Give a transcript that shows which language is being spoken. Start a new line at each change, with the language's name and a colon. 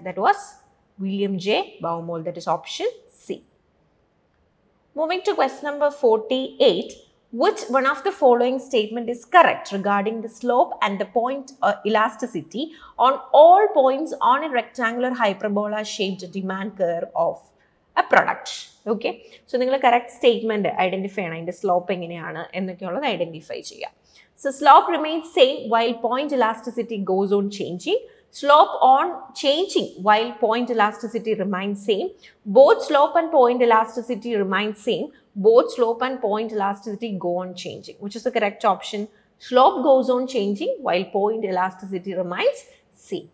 English: That was William J. Baumol. That is option C. Moving to question number 48, which one of the following statement is correct regarding the slope and the point elasticity on all points on a rectangular hyperbola shaped demand curve of a product?
Malayalam: Okay, so നിങ്ങൾ correct statement identify ചെയ്യണം, അതിൻ്റെ slope എങ്ങനെയാണ് എന്നൊക്കെയുള്ളത് identify ചെയ്യുക.
English: So slope remains same while point elasticity goes on changing. Slope on changing while point elasticity remains same. Both slope and point elasticity remain same. Both slope and point elasticity go on changing. Which is the correct option? Slope goes on changing while point elasticity remains same.